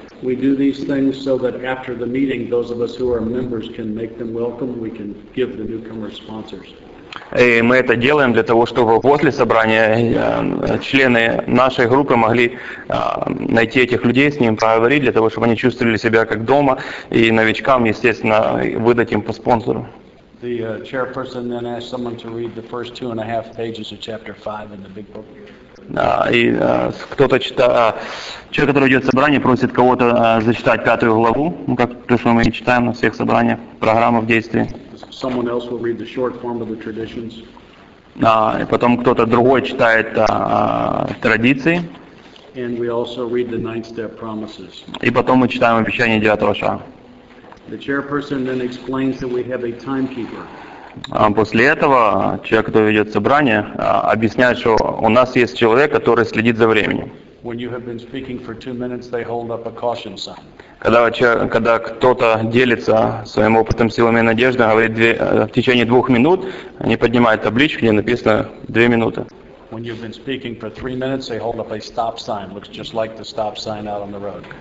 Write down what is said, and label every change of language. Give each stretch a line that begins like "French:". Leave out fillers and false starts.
English: We do these things so that after the meeting, those of us who are members can make them welcome. We can give the newcomer sponsors.
Russian: И мы это делаем для того, чтобы после собрания члены нашей группы могли найти этих людей, с ним поговорить, для того, чтобы они чувствовали себя как дома, и новичкам, естественно, выдать им по спонсору.
English: The chairperson then asks someone to read the first 2.5 pages of chapter 5 in the big book.
Russian: Кто-то читает, человек, который идет в собрание, просит кого-то зачитать пятую главу, ну, как то, что мы и читаем на всех собраниях, программа в действии.
English: Someone else will read the short form of the traditions.
Russian: И потом кто-то другой читает традиции.
English: And we also read the nine-step promises.
Russian: И потом мы читаем обещание девятого шага.
English: The chairperson then explains that we have a timekeeper.
Russian: После этого человек, который ведет собрание, объясняет, что у нас есть человек, который следит за временем.
English: When you have been speaking for 2 minutes, they hold up a caution sign.
Russian: Когда кто-то делится своим опытом, силами и надеждой, говорит в течение 2 минут, они поднимают табличку, где написано 2 минуты.
English: When you've been speaking for 3 minutes, they hold up a stop sign. Looks just like the stop sign out on the road.